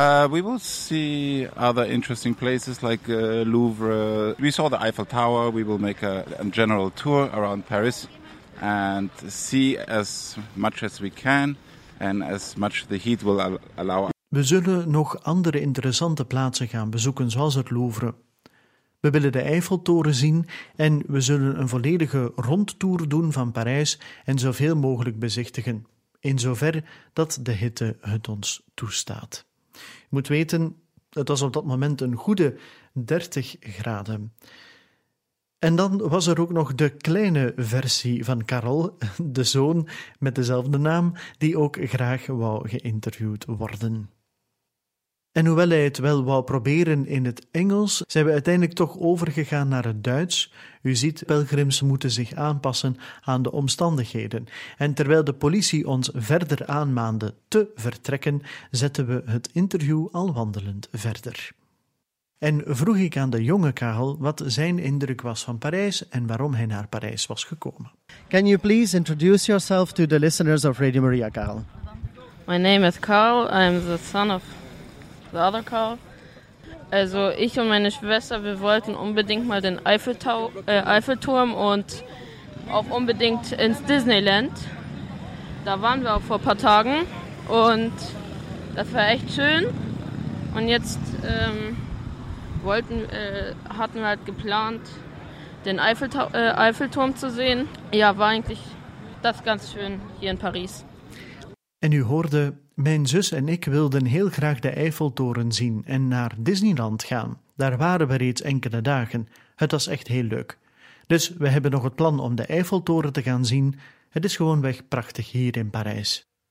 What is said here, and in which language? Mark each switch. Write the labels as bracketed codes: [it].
[en] We will see other interesting places like Louvre. We saw the Eiffel Tower. We will make a general tour around Paris and see as much as we can and as much the heat will allow us. [nl] We zullen nog andere interessante plaatsen gaan bezoeken, zoals het Louvre. We willen de Eiffeltoren zien en we zullen een volledige rondtour doen van Parijs en zoveel mogelijk bezichtigen, in zover dat de hitte het ons toestaat. Je moet weten, het was op dat moment een goede 30 graden. En dan was er ook nog de kleine versie van Karel, de zoon met dezelfde naam, die ook graag wou geïnterviewd worden. En hoewel hij het wel wou proberen in het Engels, zijn we uiteindelijk toch overgegaan naar het Duits. U ziet, pelgrims moeten zich aanpassen aan de omstandigheden. En terwijl de politie ons verder aanmaande te vertrekken, zetten we het interview al wandelend verder. En vroeg ik aan de jonge Karel wat zijn indruk was van Parijs en waarom hij naar Parijs was gekomen. [en] Can you please introduce yourself to the listeners of Radio Maria, Karel? My name is Karl. I'm the son of the other Karl. [de] Also ich und meine Schwester, wir wollten unbedingt mal den Eiffelturm und auch unbedingt ins Disneyland. Da waren wir auch vor ein paar Tagen und das war echt schön. Und jetzt hatten wir halt geplant, den Eiffelturm zu sehen. Ja, war eigentlich das ganz schön hier in Paris. [nl] En u hoorde, mijn zus en ik wilden heel graag de Eiffeltoren zien en naar Disneyland gaan. Daar waren we reeds enkele dagen. Het was echt heel leuk. Dus we hebben nog het plan om de Eiffeltoren te gaan zien. Het is gewoonweg prachtig hier in Parijs.